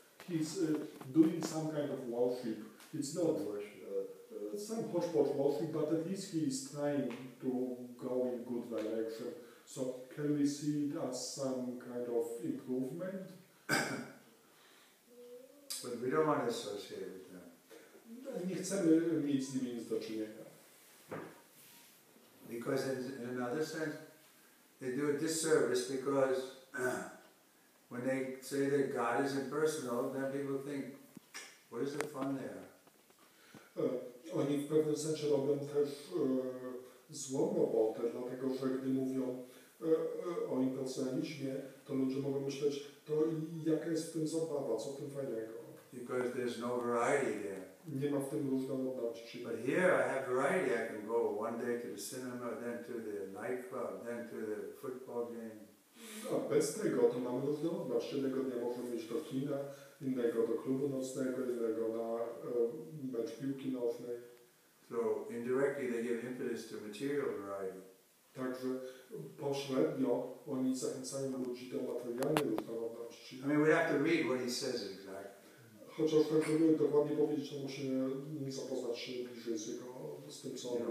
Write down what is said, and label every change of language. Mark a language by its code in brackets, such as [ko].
[en] He's doing some kind of worship. It's not some hotbot worship, but at least he's trying to go in good direction. So can we see it as some kind of improvement? But we don't want to associate with them. [pl] Nie chcemy mieć z nimi nic do czynienia. [en] Because in another sense, they do a disservice, because when they say that God is impersonal, then people think, what is the fun there? [pl] Oni w pewnym sensie robią też złą robotę, dlatego że gdy mówią, o inkonsenizmie, to ludzie mogą myśleć, to jaka jest w tym zabawa, co w tym fajnego. [en] Because there's no variety there. [pl] Nie ma w tym różnorodności. [en] But here I have variety. I can go one day to the cinema, then to the nightclub, then to the football game. [pl] A bez tego to mamy różnorodność. Jednego dnia możemy iść do kina, innego do klubu nocnego, innego na mecz piłki nożnej. [en] So indirectly they give impetus to material variety. [pl] Także pośrednio oni zachęcają ludzi do materialnej różnorodności. [en] I mean, we have to read what he says exactly. [pl] Chociaż tak, żeby dokładnie powiedzieć, to musimy nie zapoznać się bliżej z jego, z tym, co on